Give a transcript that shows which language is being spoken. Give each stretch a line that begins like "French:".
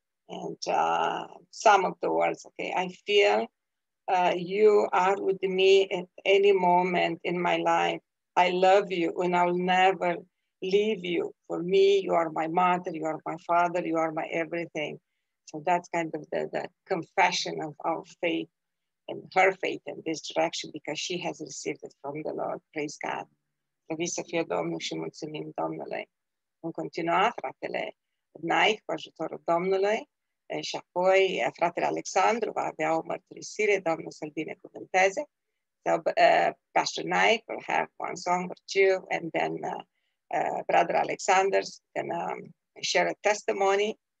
English: And some of the words, okay. I feel you are with me at any moment in my life. I love you, and I'll never leave you. For me, you are my mother, you are my father, you are my everything. So that's kind of the confession of our faith and her faith in this direction, because she has received it from the Lord. Praise God.
Romanian: Slăviți să fie Domnul și mulțumim Domnului. În continuare, fratele, Nike cu ajutorul Domnului și apoi fratele Alexandru va avea o mărturisire, Domnul să-l binecuvânteze.
English: So, Pastor Nike will have one song or two, and then Brother Alexander's gonna share a testimony.